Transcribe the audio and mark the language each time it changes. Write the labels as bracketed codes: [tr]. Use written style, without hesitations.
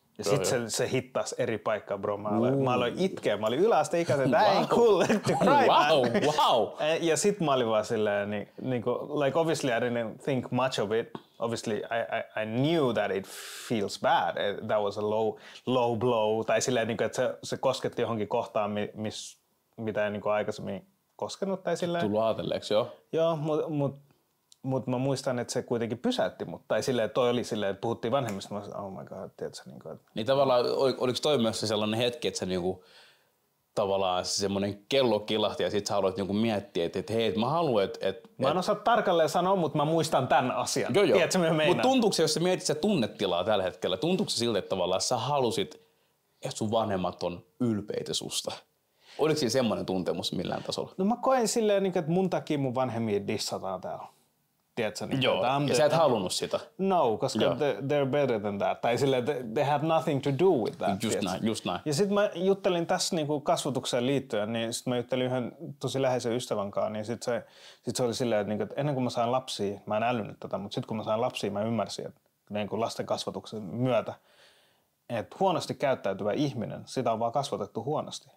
[fi] Ja sitten se hittas eri paikkaa, bro. Mä aloin itkeä, mä olin yläasteikäisen, että [en] ain't cool, let's cry. Wow. [fi] Ja sit mä olin vaan silleen, niin kuin, [en] like obviously I didn't think much of it. Obviously I knew that it feels bad. That was a low blow. [fi] Tai silleen, niin kuin, että se kosketti johonkin kohtaan, mitä en niin kuin aikaisemmin koskenut. Tai silleen. Tullut ajatelleeksi, joo. Joo, mutta mä muistan, että se kuitenkin pysäytti mut. Tai silleen, toi oli silleen, että puhuttiin vanhemmista. Mä sanoin, [en] oh my god, [fi] tiedätkö? Niin, niin tavallaan, oliko toi myös sellainen hetki, että sä niinku, tavallaan semmoinen kello kilahti ja sit sä aloit niinku miettiä, että hei, mä haluan, mä en osaa tarkalleen sanoa, mutta mä muistan tämän asian. Joo. Tiedätkö, mitä meinaa? Mutta tuntuuko se, jos sä mietit sitä tunnetilaa tällä hetkellä, tuntuuko se siltä, että tavallaan sä halusit, että sun vanhemmat on ylpeitä susta? Oliko siinä semmoinen tuntemus millään tasolla? No mä koen silleen, että mun takia mun vanhemmia dissataan täällä. Tiedätkö, niin joo, että ja sä et halunnut sitä. No, koska [en] they're better than that. [fi] Tai silleen, [en] they have nothing to do with that. [fi] Just näin. Ja sit mä juttelin tässä niinku kasvatukseen liittyen, niin sit mä juttelin yhden tosi läheisen ystävän kanssa, niin sit se oli silleen, että ennen kuin mä sain lapsia, mä en älynyt tätä, mutta sit kun mä sain lapsia, mä ymmärsin, että niinku lasten kasvatuksen myötä, että huonosti käyttäytyvä ihminen, sitä on vaan kasvatettu huonosti.